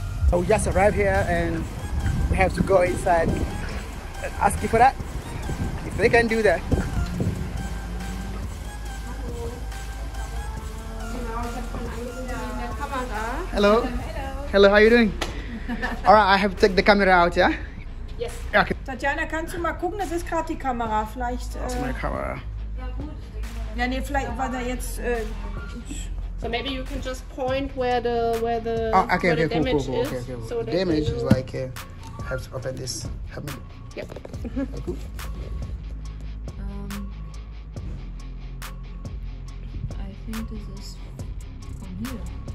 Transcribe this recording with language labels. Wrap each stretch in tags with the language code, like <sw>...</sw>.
<en>So we just arrived here and we have to go inside and ask you for that. If they can do that. Hello. Hello. Hello, how are you doing? All right, I have to take the camera out, yeah? Yes. Okay.</en> <de>Tatjana, kannst du mal gucken? Das ist gerade die Kamera. Vielleicht. Das ist meine Kamera. Ja, gut. Ja, nee, vielleicht war da jetzt.</de> <en>So maybe you can just point where the damage is like here. Help open this. Help me. Yep. Okay. I think this is from here.</en>